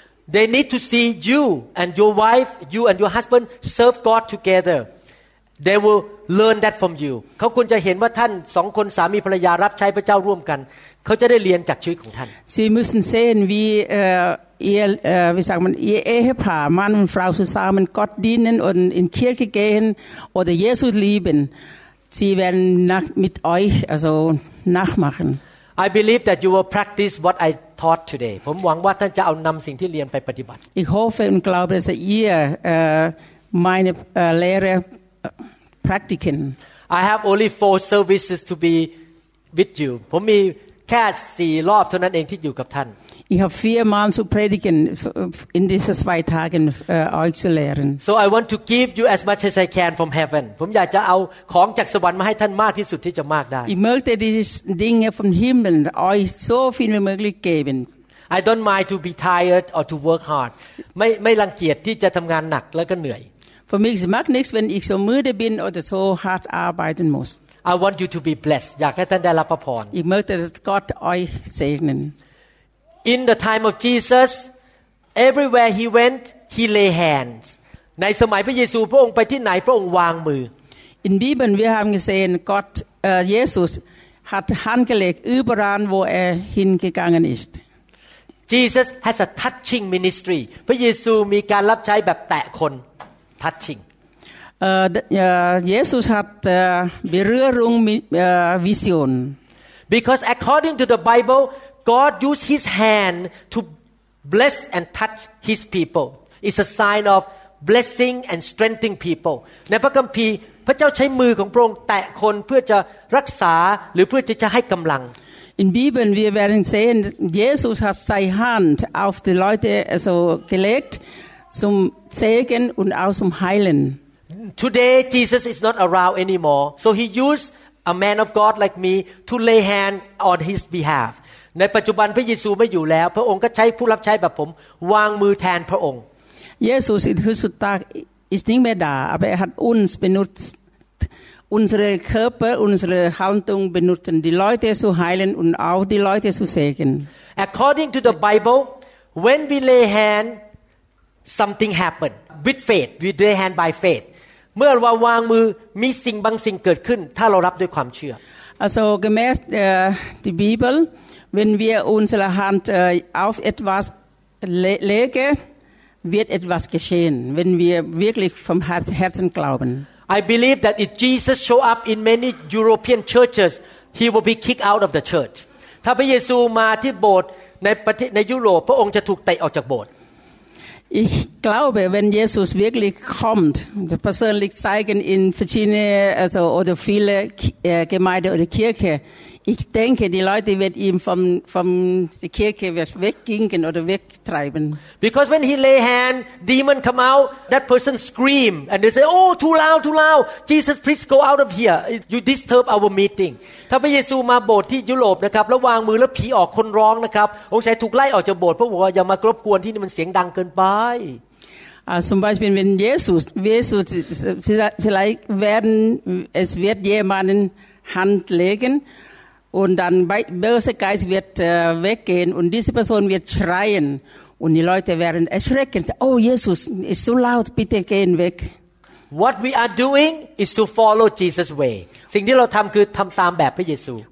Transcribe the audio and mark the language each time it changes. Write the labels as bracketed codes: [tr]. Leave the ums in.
[en] They need to see you and your wife, you and your husband serve God together. They will learn that from you. [th] เขาควรจะเห็นว่าท่านสองคนสามีภรรยารับใช้พระเจ้าร่วมกัน เขาจะได้เรียนจากชีวิตของท่าน [de] Sie müssen sehen, wie äh, ihr, äh, wie sagt man, ihr Ehepaar, Mann und Frau zusammen Gott dienen und in Kirche gehen oder Jesus lieben. Sie werden nach, mit euch also nachmachen. [en] I believe that you will practice what I taught today [th] ผมหวังว่าท่านจะเอานำสิ่งที่เรียนไปปฏิบัติ [de] Ich hoffe und glaube, dass ihr äh, meine äh, Lehre äh, praktiken. [en] I have only four services to be with you [th] ผมมีแค่สี่รอบเท่านั้นเองที่อยู่กับท่าน [de] Ich habe viermal zu predigen f- f- in diesen zwei Tagen äh, euch zu lehren. [en] so I want to give you as much as I can from heaven [th] ผมอยากจะเอาของจากสวรรค์มาให้ท่านมากที่สุดที่จะมากได้ [de] Ich möchte diese Dinge vom Himmel euch so viel wie möglich geben. [en] I don't mind to be tired or to work hard [th] ไม่ไม่รังเกียจที่จะทำงานหนักแล้วก็เหนื่อย [de] Für mich es macht nichts, wenn ich so müde bin oder so hart arbeiten muss. [en] I want you to be blessed [th] อยากให้ท่านได้รับพระพร [de] Ich möchte, dass Gott euch segnen. [en] In the time of Jesus everywhere he went he lay hands [th] ในสมัยพระเยซูพระองค์ไปที่ไหนพระองค์วางมือ [de] In Bibeln, wir haben gesehen, Gott, äh, Jesus hat handgelegt überall, wo er hingegangen ist. [en] Jesus has a touching ministry [th] พระเยซูมีการรับใช้แบบแตะคน [en] touching [de] Äh, d- äh, Jesus hat äh, Berührung mit äh, Vision. [en] because according to the Bible God used his hand to bless and touch his people it's a sign of blessing and strengthening people [th] ในพระคัมภีร์พระเจ้าใช้มือของพระองค์แตะคนเพื่อจะรักษาหรือเพื่อที่จะให้กำลัง [de] In Bibeln, wir werden sehen, Jesus hat seine Hand auf die Leute also gelegt zum Segen und auch zum Heilen. [en] Today Jesus is not around anymore so he used a man of God like me to lay hand on his behalf [th] ในปัจจุบันพระเยซูไม่อยู่แล้ว พระองค์ก็ใช้ผู้รับใช้แบบผม วางมือแทนพระองค์ [de] Jesus in heutzutage ist nicht mehr da, aber er hat uns benutzt. Unsere Körper, unsere Haltung benutzen, die Leute zu heilen und auch die Leute zu segnen. [en] according to the Bible when we lay hand something happen with faith we lay hand by faith [th] เมื่อเราวางมือมีสิ่งบางสิ่งเกิดขึ้น ถ้าเรารับด้วยความเชื่อ [de] Also gemäß äh, der Bibel, wenn wir unsere Hand äh, auf etwas le legen, wird etwas geschehen, wenn wir wirklich vom Her- Herzen glauben. [en] I believe that if Jesus show up in many European churches, he will be kicked out of the church. [th] ถ้าพระเยซูมาที่โบสถ์ในประเทศในยุโรปพระองค์จะถูกเตะออกจากโบสถ์ [de] Ich glaube, wenn Jesus wirklich kommt, also persönlich zeigen in verschiedene also, oder viele Ki- äh, Gemeinde oder Kirche, ich denke, die Leute werden ihn vom, vom der Kirche wird weggingen oder wegtreiben. [en] because when he lay hand demon come out that person scream and they say oh too loud too loud Jesus please go out of here you disturb our meeting [th] ถ้าพระเยซูมาโบสถ์ที่ยุโรปนะครับแล้ววางมือแล้วผีออกคนร้องนะครับองค์ชายถูกไล่ออกจากโบสถ์เพราะบอกว่าอย่ามากรบกวนที่นี่มันเสียงดังเกินไป [de] Also zum Beispiel, wenn Jesus, Jesus vielleicht werden, es wird jemanden Hand legen und dann bei- böse Geist wird äh, weggehen und diese Person wird schreien und die Leute werden erschrecken. Oh, Jesus ist so laut, bitte gehen weg. [en] What we are doing is to follow Jesus way [th] สิ่งที่เราทำคือทำตามแบบพระเยซู